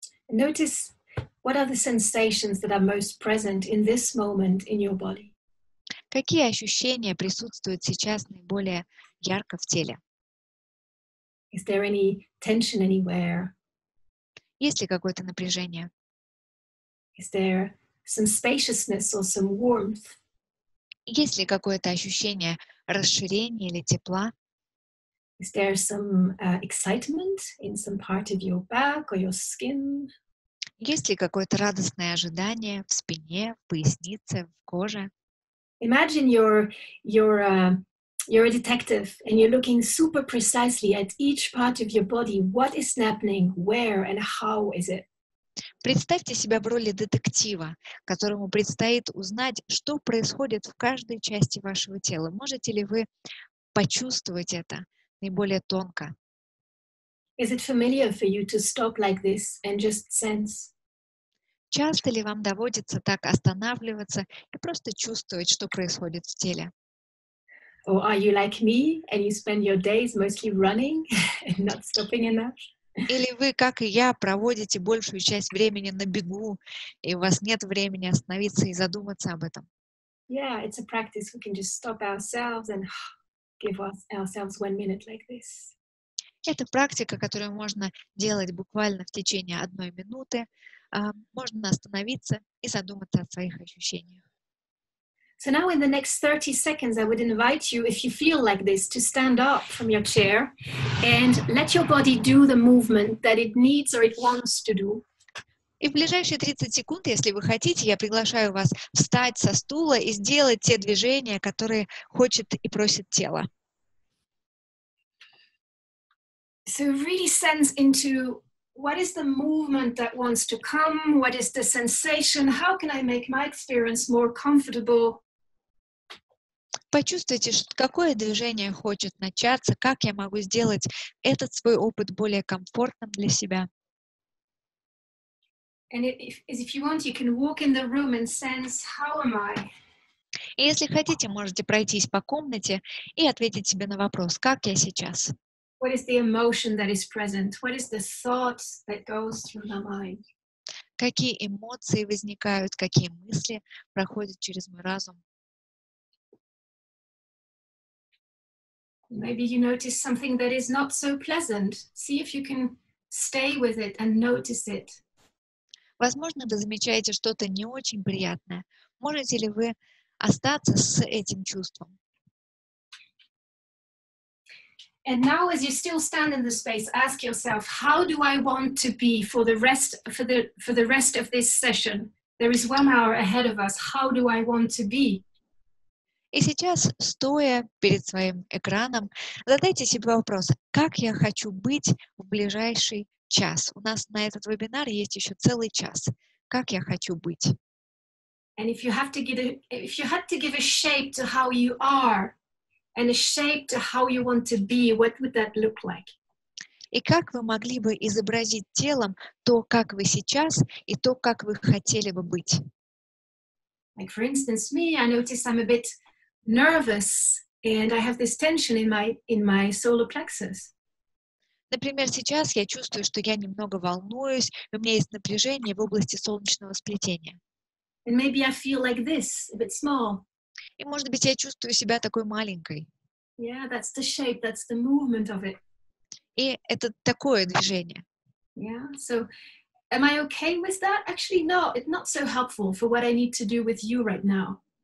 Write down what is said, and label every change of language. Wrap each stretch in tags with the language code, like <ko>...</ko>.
<en>Notice what are the sensations that are most present in this moment in your body.</en> <ru>Какие ощущения присутствуют сейчас наиболее ярко в теле?</ru> <en>Is there any tension anywhere?</en> <ru>Есть ли какое-то напряжение?</ru> <en>Is there some spaciousness or some warmth?</en> <ru>Есть ли какое-то ощущение расширения или тепла?</ru> <en>Is there some excitement in some part of your back or your skin?</en> <ru>Есть ли какое-то радостное ожидание в спине, в пояснице, в коже?</ru> <en>Imagine you're a detective and you're looking super precisely at each part of your body. What is happening? Where and how is it?</en> <ru>Представьте себя в роли детектива, которому предстоит узнать, что происходит в каждой части вашего тела. Можете ли вы почувствовать это наиболее тонко?</ru> <en>Is it familiar for you to stop like this and just sense?</en> <ru>Часто ли вам доводится так останавливаться и просто чувствовать, что происходит в теле?</ru> <en>Or are you like me and you spend your days mostly running and not stopping enough?</en> <ru>Или вы, как и я, проводите большую часть времени на бегу, и у вас нет времени остановиться и задуматься об этом?</ru> <en>Yeah, it's a practice. We can just stop ourselves and give ourselves 1 minute like this.</en> <ru>Это практика, которую можно делать буквально в течение 1 минуты. Можно остановиться и задуматься о своих ощущениях.</ru> <en>So now in the next 30 seconds, I would invite you, if you feel like this, to stand up from your chair and let your body do the movement that it needs or it wants to do.</en> <ru>И в ближайшие 30 секунд, если вы хотите, я приглашаю вас встать со стула и сделать те движения, которые хочет и просит тело.</ru> <en>So really sense into what is the movement that wants to come, what is the sensation, how can I make my experience more comfortable?</en> <ru>Почувствуйте, какое движение хочет начаться, как я могу сделать этот свой опыт более комфортным для себя.</ru> <en>And if you want, you can walk in the room and sense, how am I?</en> <ru>И если хотите, можете пройтись по комнате и ответить себе на вопрос, как я сейчас.</ru> <en>What is the emotion that is present? What is the thought that goes through my mind?</en> <ru>Какие эмоции возникают, какие мысли проходят через мой разум?</ru> <en>Maybe you notice something that is not so pleasant. See if you can stay with it and notice it.</en> <ru>Возможно, вы замечаете что-то не очень приятное. Можете ли вы остаться с этим чувством?</ru> <en>And now, as you still stand in the space, ask yourself, how do I want to be for the rest of this session? There is 1 hour ahead of us. How do I want to be?</en> <ru>И сейчас, стоя перед своим экраном, задайте себе вопрос, как я хочу быть в ближайший час? У нас на этот вебинар есть еще целый час. Как я хочу быть?</ru> <en>And if you had to give a shape to how you are and a shape to how you want to be, what would that look like?</en> <ru>И как вы могли бы изобразить телом то, как вы сейчас, и то, как вы хотели бы быть?</ru> <en>Like, for instance, me, I notice I'm a bit nervous, and I have this tension in my solar plexus.</en> <ru>Например, сейчас я чувствую, что я немного волнуюсь, у меня есть напряжение в области солнечного сплетения.</ru> <en>And maybe I feel like this, a bit small.</en> <ru>И, может быть, я чувствую себя такой маленькой.</ru> <en>Yeah, that's the shape, that's the movement of it.</en> <ru>И это такое движение.</ru> <en>Yeah, so am I okay with that? Actually, no, it's not so helpful for what I need to do with you right now.</en>